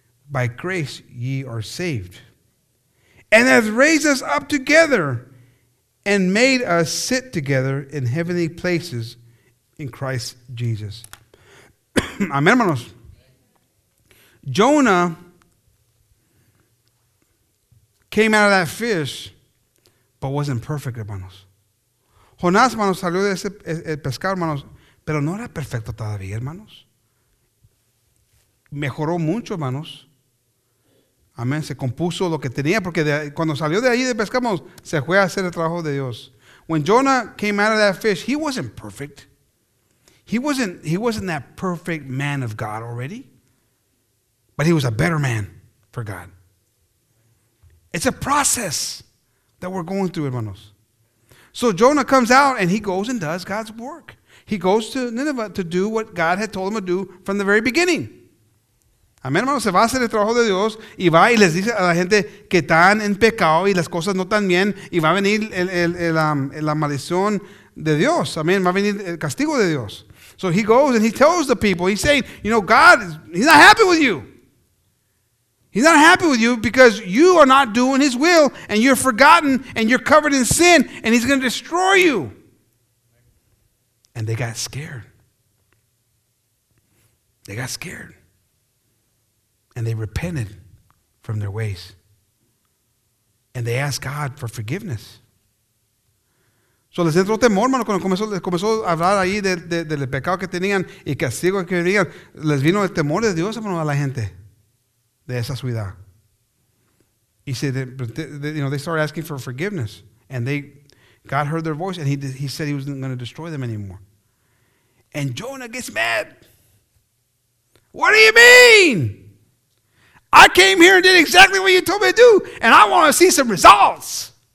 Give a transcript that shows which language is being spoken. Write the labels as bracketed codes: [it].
[en] By grace ye are saved. And hath raised us up together and made us sit together in heavenly places in Christ Jesus. Amen, hermanos. Jonah came out of that fish, but wasn't perfect, hermanos. [es] Jonás, hermanos, salió de ese pescado, hermanos, pero no era perfecto todavía, hermanos. Mejoró mucho, hermanos. Amén. Se compuso lo que tenía, porque cuando salió de ahí de pescar, hermanos, se fue a hacer el trabajo de Dios. [en] When Jonah came out of that fish, he wasn't perfect. He wasn't that perfect man of God already, but he was a better man for God. It's a process that we're going through, hermanos. So Jonah comes out and he goes and does God's work. He goes to Nineveh to do what God had told him to do from the very beginning. [es] Amén, hermanos. Se va a hacer el trabajo de Dios y va y les dice a la gente que están en pecado y las cosas no están bien y va a venir la maldición de Dios. Amén. Va a venir el castigo de Dios. [en] So he goes and he tells the people, he's saying, you know, God, he's not happy with you. He's not happy with you because you are not doing his will and you're forgotten and you're covered in sin and he's going to destroy you. And they got scared. They got scared. And they repented from their ways. And they asked God for forgiveness. [es] So les entró temor, hermano, cuando comenzó a hablar ahí del pecado que tenían y castigo que tenían. Les vino el temor de Dios, hermano, a la gente de esa ciudad. [en] He said, they started asking for forgiveness. And God heard their voice, and he said he wasn't going to destroy them anymore. And Jonah gets mad. What do you mean? I came here and did exactly what you told me to do, and I want to see some results.